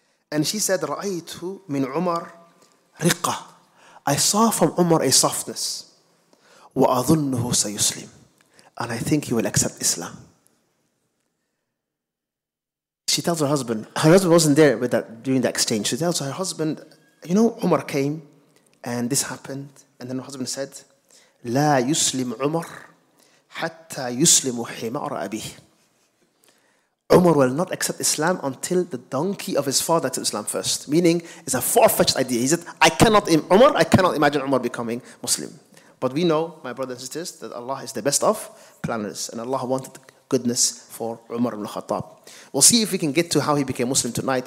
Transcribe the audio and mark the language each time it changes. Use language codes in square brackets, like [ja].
[en] And she said, [ar] رأيت من عمر رقة, [en] I saw from Umar a softness, [ar] وأظنه سيسلم, [en] and I think he will accept Islam. She tells her husband, wasn't there with that during the exchange. She tells her husband, you know, Umar came and this happened. And then her husband said, [ar] لا يسلم عمر حتى يسلم حمار أبيه. [en] Umar will not accept Islam until the donkey of his father accepts Islam first. Meaning, it's a far-fetched idea. He said, I cannot imagine Umar becoming Muslim. But we know, my brothers and sisters, that Allah is the best of planners. And Allah wanted goodness for Umar ibn al-Khattab. We'll see if we can get to how he became Muslim tonight.